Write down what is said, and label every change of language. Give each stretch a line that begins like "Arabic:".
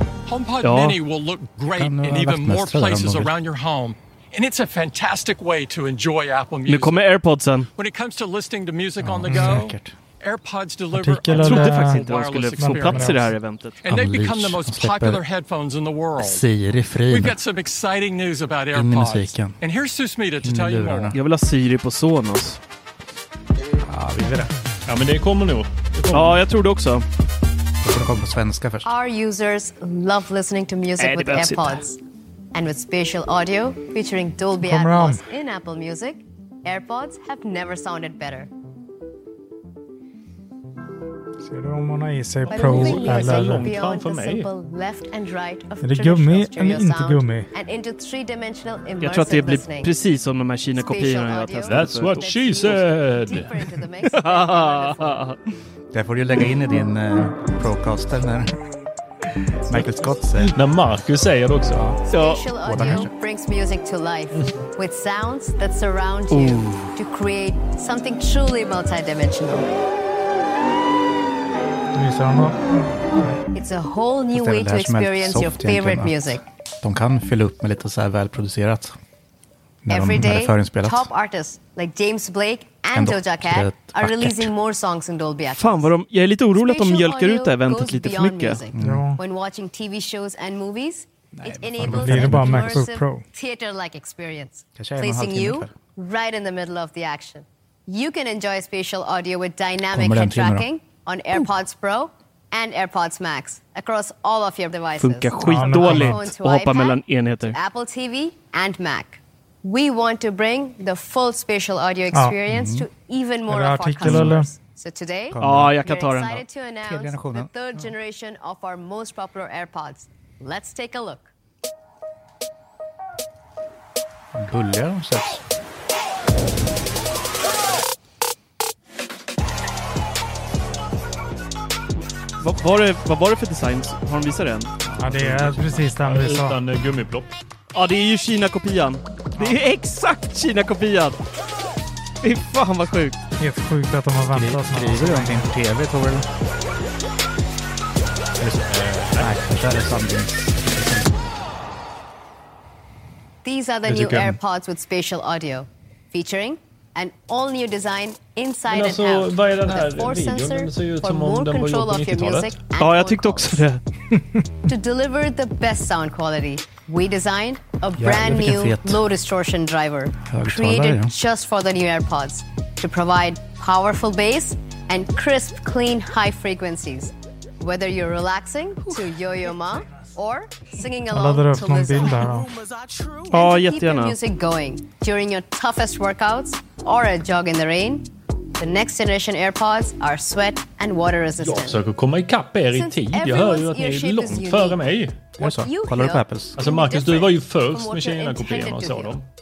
English: HomePod Mini will look great in even more places around your home. And it's a fantastic way to enjoy Apple Music.
Swedish: Nu kommer AirPodsen.
English: When it comes to listening to music on the go, AirPods deliver.
Swedish: Artikeln, jag trodde faktiskt inte att de skulle få plats i det här eventet.
English: And they've become the most popular headphones in the world.
Swedish: Siri fri.
English: We've got some exciting news about AirPods. And here's Susmita to tell you more.
Swedish: Jag vill ha Siri på Sonos. Ja, vi vet det. Ja, men det kommer nog. Ja, jag tror det också. Det kommer på svenska först.
English: Our users love listening to music with AirPods. And with spatial audio featuring Dolby Atmos in Apple Music, AirPods have never sounded better.
Swedish: Ser du om hon har i sig Pro eller långt fram för mig? Är det gummi eller inte gummi? Jag tror att det blir precis som de här Kina-kopierna jag testade.
English: That's what she said!
Swedish: Där får du lägga in i din Procaster när Michael Scott säger. När Marcus säger det också.
English: Spatial audio brings music to life with sounds that surround you to create something truly multidimensional. It's a whole new way to experience your favorite music.
Swedish: De kan fylla upp med lite så här välproducerat.
English: Every day, top artists like James Blake and Doja Cat are releasing more songs in Dolby Atmos.
Swedish: Fan, vad de, jag är lite orolig att de mjölkar ut det eventet lite för mycket. Mm.
English: When watching TV shows and movies, it enables an immersive theater-like experience, placing you right in the middle of the action. You can enjoy spatial audio with dynamic head tracking on AirPods Pro and AirPods Max across all of your devices.
Swedish: Funkar skitdåligt att hoppa mellan enheter.
English: Apple TV and Mac. We want to bring the full spatial audio experience to even more of our customers.
Swedish: Eller?
English: So today,
Swedish: jag kan ta den.
English: We're excited to announce the third generation of our most popular AirPods. Let's take a look.
Swedish: Bulliga de sätts. Vad var det för design? Har de visat den? Ja, det är precis den vi sa. Utan gummiplopp. Ja, det är ju Kina-kopian. Det är exakt Kina-kopian. Fy fan vad sjukt. Helt sjukt att de har väntat. Skriver du någonting på tv, tror du?
English: These are the new AirPods with spatial audio. Featuring an all-new design inside
Swedish: alltså,
English: and out.
Swedish: Men vad är den här videon? Den ser ju ut som om den var gjort på 90-talet. Ja, jag tyckte också det.
English: To deliver the best sound quality, we designed a brand new low distortion driver created just for the new AirPods to provide powerful bass and crisp, clean high frequencies. Whether you're relaxing to Yo-Yo Ma or singing along to Lizzo.
Swedish: Ja, jättegärna.
English: Keep the music going during your toughest workouts or a jog in the rain. The next generation AirPods are sweat and water resistant.
Swedish: Jag försöker komma i kapp er i tid. Jag hör ju att ni är långt före mig. Det är så. Kollar du på Apples? Alltså Marcus, du var ju först med Kina-kopierna och såg dem.